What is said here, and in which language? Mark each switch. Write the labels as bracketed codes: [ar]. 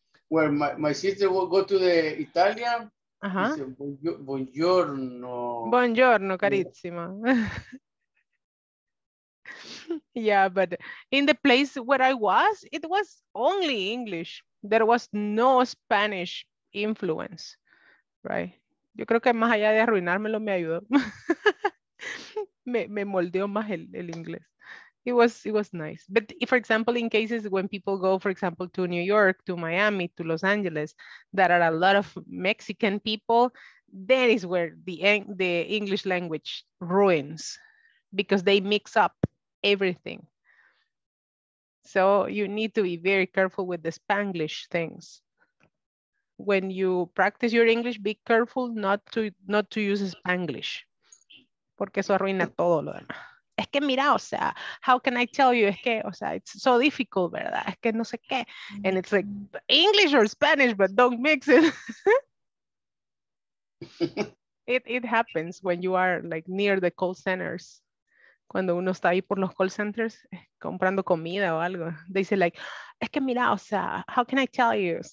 [en] Where my sister will go to the Italian. Uh-huh. He said, buongiorno. [it] Buongiorno, carissimo. [en] Yeah, but in the place where I was, it was only English. There was no Spanish influence, right? [es] Yo creo que más allá de arruinármelo, me ayudó. me moldeó más el inglés. [en] It was nice. But for example, in cases when people go, for example, to New York, to Miami, to Los Angeles, that are a lot of Mexican people, that is where the English language ruins because they mix up everything. So you need to be very careful with the Spanglish things. When you practice your English, be careful not to use Spanglish. [es] Porque eso arruina todo lo demás. Es que mira, o sea, [en] how can I tell you? [es] Es que, o sea, [en] it's so difficult, [es] ¿verdad? Es que no sé qué. [en] And it's like English or Spanish, but don't mix it. It happens when you are like near the call centers. [es] Cuando uno está ahí por los call centers comprando comida o algo. [en] They say like, [es] es que mira, o sea, [en] how can I tell you?